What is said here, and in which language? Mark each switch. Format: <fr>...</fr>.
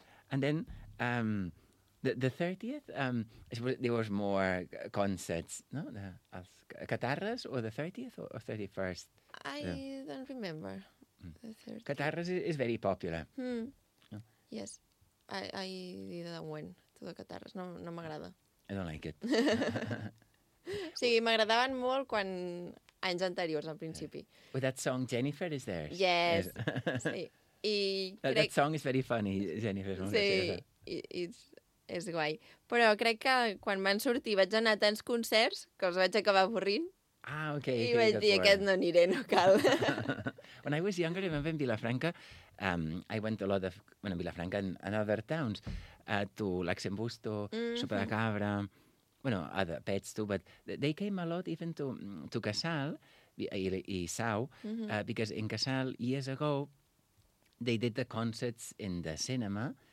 <en>And then the 30th, I suppose there was more concerts, no? Catarres or the 30th or 31st? Don't remember. Catarres is very popular. Yes. I didn't win to the Catarres.</en> <ca>No m'agrada.</ca> <en>I don't like it.</en> <ca>Sí, m'agradaven molt quan anys anteriors, al principi.</ca> <en>With that song, Jennifer is there. Yes. Sí. That song is very funny, Jennifer.</en> <ca>Sí, it's és guai. Però crec que quan van sortir vaig anar a tants concerts que els vaig acabar avorrint.</ca> <en>Ah, ok.</en> <ca>I vaig dir, aquest no aniré, no cal.</ca> <en>When I was younger, I remember in Vilafranca, I went a lot of, bueno, Vilafranca and other towns. To Luxembourg, Sopa de Cabra, bueno, other pets too, but they came a lot even to Casal i Sau, because in Casal, years ago, they did the concerts in the cinema.</en>